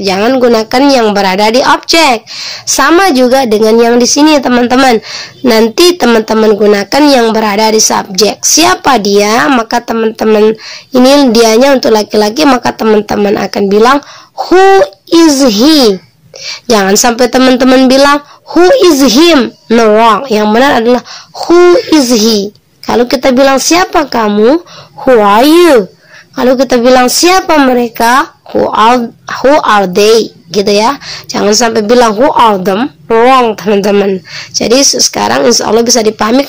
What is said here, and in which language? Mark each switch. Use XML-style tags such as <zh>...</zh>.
<id>Jangan gunakan yang berada di objek. Sama juga dengan yang di sini, teman-teman. Nanti teman-teman gunakan yang berada di subjek. Siapa dia? Maka teman-teman, ini dianya untuk laki-laki, maka teman-teman akan bilang,</id> <en>who is he?</en> <id>Jangan sampai teman-teman bilang</id> <en>who is him. No, wrong.</en> <id>Yang benar adalah who is he. Kalau kita bilang siapa kamu,</id> <en>who are you?</en> <id>Kalau kita bilang siapa mereka,</id> <en>who are they?</en> <id>Gitu ya. Jangan sampai bilang</id> <en>who are them. Wrong,</en> <id>teman-teman. Jadi sekarang insya Allah bisa dipahami.</id>